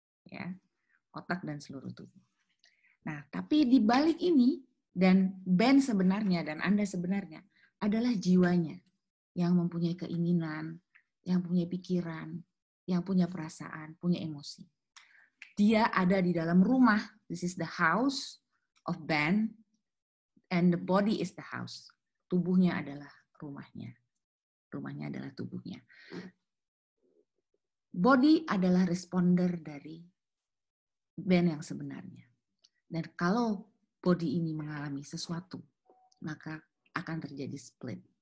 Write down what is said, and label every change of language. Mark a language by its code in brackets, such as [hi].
[id] Ya, otak dan seluruh tubuh. Nah, tapi di balik ini, dan Ben sebenarnya, dan Anda sebenarnya, adalah jiwanya yang mempunyai keinginan, yang punya pikiran, yang punya perasaan, punya emosi. Dia ada di dalam rumah. [en] This is the house of Ben, and the body is the house. [id] Tubuhnya adalah rumahnya. Rumahnya adalah tubuhnya. Body adalah responder dari Ben yang sebenarnya. Dan kalau body ini mengalami sesuatu, maka akan terjadi split.